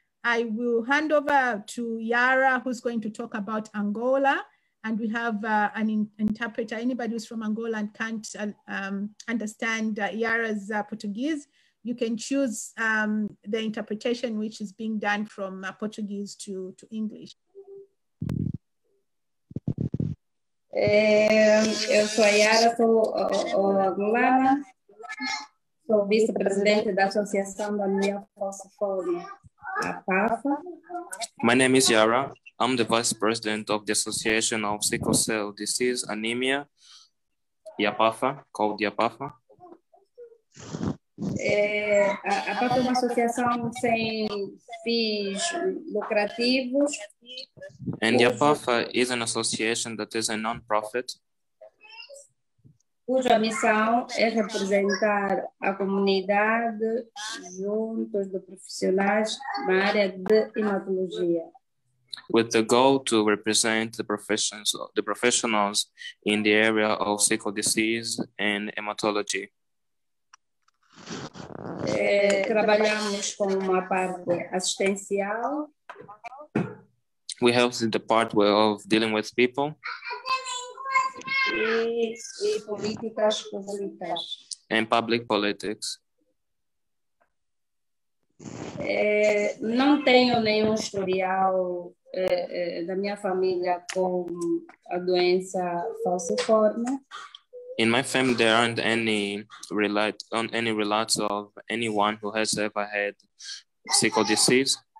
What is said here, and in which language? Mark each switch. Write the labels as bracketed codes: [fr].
[en] I will hand over to Yara, who's going to talk about Angola. And we have an interpreter. Anybody who's from Angola and can't understand Yara's Portuguese, you can choose the interpretation, which is being done from Portuguese to English. [pt] Eu sou a Yara, sou angolana, sou vice-presidente da Associação da Minha Falciforme, a PAFA. [en] My name is Yara. I'm the vice president of the Association of Sickle Cell Disease Anemia, IAPAFA, called IAPAFA. [pt] A PAFA é uma associação sem fins lucrativos. [en] And IAPAFA is an association that is a non-profit. [pt] Cuja missão é representar a comunidade juntos de profissionais na área de hematologia. [en] With the goal to represent the professionals in the area of sickle disease and hematology. [pt] Trabalhamos com uma parte assistencial. [en] We help in the part of dealing with people. [pt] E políticas públicas. [en] And public politics. [pt] Não tenho nenhum historial da minha família com a doença falciforme. [en] In my family, there aren't any relates of anyone who has ever had sickle disease.